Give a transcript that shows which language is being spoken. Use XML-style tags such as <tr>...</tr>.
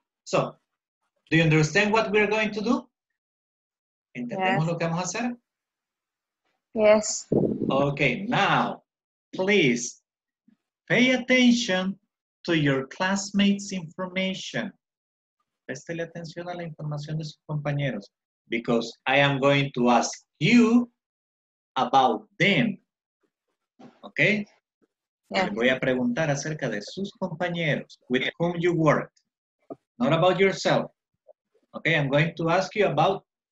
<en>So, do you understand what we're going to do?</en> <es>¿Entendemos lo que vamos a hacer?</es> <en>Yes. Okay, now, please, pay attention to your classmates' information.</en> <es>Préstele atención a la información de sus compañeros.</es> <en>Because I am going to ask you about them. Okay? Yeah.</en> <es>Voy a preguntar acerca de sus compañeros,</es> <en>with whom you work. Not about yourself. Okay, I'm going to ask you about</en>